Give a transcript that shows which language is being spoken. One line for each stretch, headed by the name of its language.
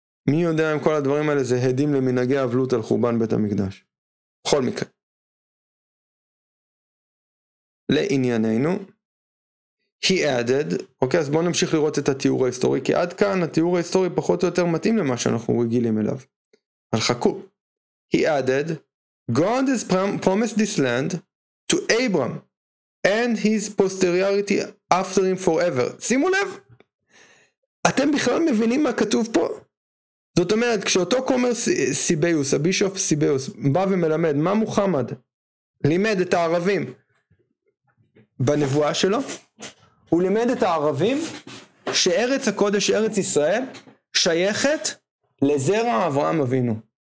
Hebrew: מי יודע אם כל הדברים האלה זה הדים למנהגי אבלות על חורבן בית המקדש? בכל מקרה. לענייננו,
English: he added,
Hebrew: אוקיי, אז בואו נמשיך לראות את התיאור ההיסטורי, כי עד כאן התיאור ההיסטורי פחות או יותר מתאים למה שאנחנו רגילים אליו. אבל חכו.
English: He added, God has promised this land to Abram and his posterity after him forever.
Hebrew: שימו לב, אתם בכלל מבינים מה כתוב פה? זאת אומרת, כשאותו כומר סיביוס, הבישוף סיביוס, בא ומלמד, מה מוחמד? לימד את הערבים. בנבואה שלו, הוא לימד את הערבים שארץ הקודש, ארץ ישראל, שייכת לזרע אברהם אבינו.